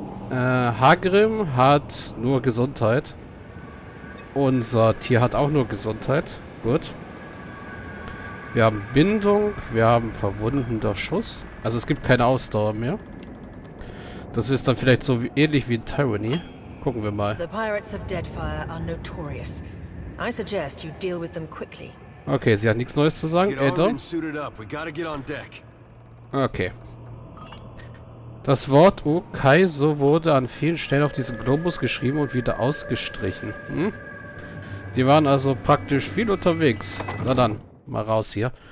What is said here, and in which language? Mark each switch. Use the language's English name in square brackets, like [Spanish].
[German] Hagrim hat nur Gesundheit. Unser Tier hat auch nur Gesundheit. Gut. Wir haben Bindung, wir haben verwundender Schuss. Also es gibt keine Ausdauer mehr. Das ist dann vielleicht so ähnlich wie in Tyranny. Gucken wir mal. [English] The Pirates of Deadfire are notorious. I suggest you deal with them quickly. [German] Okay, sie hat nichts Neues zu sagen, [English] Get armed and suited up. We gotta get on deck. [German] Okay. Das Wort Okaizo wurde an vielen Stellen auf diesem Globus geschrieben und wieder ausgestrichen. Die waren also praktisch viel unterwegs. Na dann, mal raus hier.